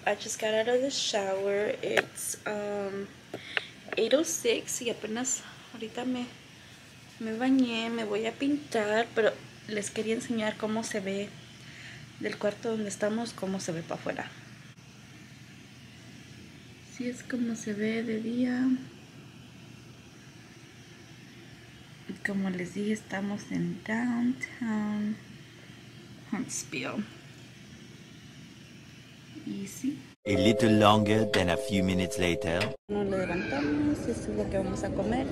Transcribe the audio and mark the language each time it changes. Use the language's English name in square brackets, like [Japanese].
[English] I just got out of the shower. It's 8:06 [Spanish] y apenas ahorita me bañé, me voy a pintar, pero les quería enseñar cómo se ve del cuarto donde estamos, cómo se ve para afuera. Sí, es como se ve de día. Y como les dije, estamos en downtown Huntsville. [English] A little longer than a few minutes later. [Spanish] Nos levantamos, esto es lo que vamos a comer.